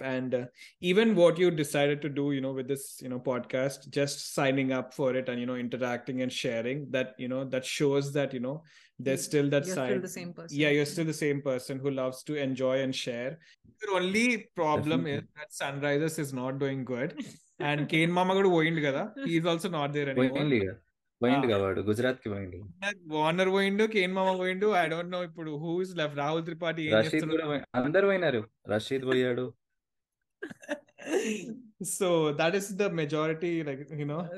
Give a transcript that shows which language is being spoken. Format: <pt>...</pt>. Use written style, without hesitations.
<en>And even what you decided to do, you know, with this, you know, podcast, just signing up for it and, you know, interacting and sharing that, you know, that shows that, you know, there's still that you're side. You're still the same person. Yeah, you're still the same person who loves to enjoy and share. Your only problem is that Sunrisers is not doing good. And Kane Mama got going together. He's also not there anymore.</en> <te>Warner పోయిండు Kane మామ పోయిండు</te> <en>I don't know</en> <te>ఇప్పుడు</te> <en>who is left</en> <te>Rahul Tripathi అందరు పోయినారు రషీద్ పోయాడు</te> <en>So that is the majority, like, you know,</en>